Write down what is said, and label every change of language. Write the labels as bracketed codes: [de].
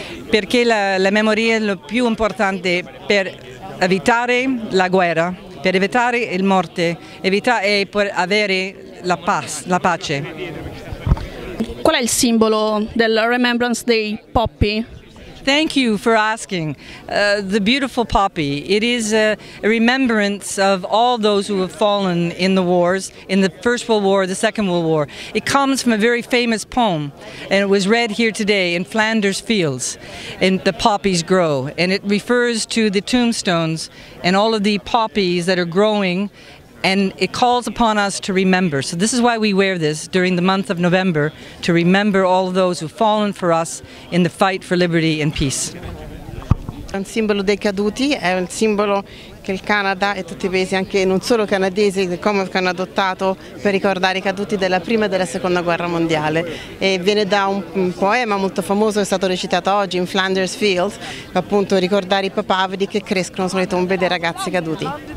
[it] perché la memoria è lo più importante per evitare la guerra, per evitare la morte, evitare e per avere la pace. Qual è il simbolo del Remembrance Day Poppy? [en] Thank you for asking. The beautiful poppy. It is a remembrance of all those who have fallen in the wars, in the First World War, the Second World War. It comes from a very famous poem, and it was read here today in Flanders Fields, and the poppies grow. And it refers to the tombstones and all of the poppies that are growing, and it calls upon us to remember. So this is why we wear this during the month of November, to remember all of those who've fallen for us in the fight for liberty and peace. [it] Un simbolo dei caduti, è un simbolo che il Canada e tutti i paesi, anche non solo canadesi, come hanno adottato per ricordare i caduti della prima e della seconda guerra mondiale. E viene da un poema molto famoso, è stato recitato oggi in Flanders Fields, appunto ricordare i papaveri che crescono sulle tombe dei ragazzi caduti.